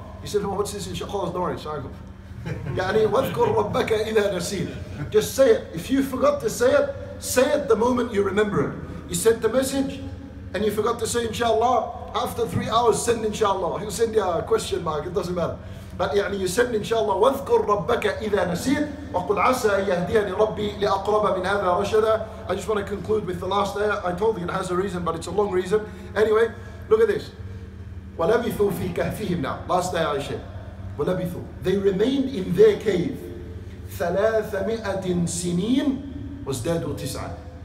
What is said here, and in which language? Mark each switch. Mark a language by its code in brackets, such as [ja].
[en] He said, well, what's this inshallah? Don't worry, sorry. [ar] Yani wadhkur rabbaka ila nasir. [en] Just say it. If you forgot to say it the moment you remember it. You sent the message and you forgot to say inshallah, after 3 hours send inshallah. He'll send you a question mark, it doesn't matter. But [ar] يعني يسمي إن شاء الله واذكر ربك إذا نسيت وقل عسى يهديني ربي لأقرب من هذا رشدا. [en] I just want to conclude with the last ayah. I told you it has a reason, but it's a long reason. Anyway, look at this. [ar] ولبثوا في كهفهم. [en] Now, last ayah I said. [ar] ولبثوا. [en] They remained in their cave. [ar] 300 سنين وازدادوا تسعة.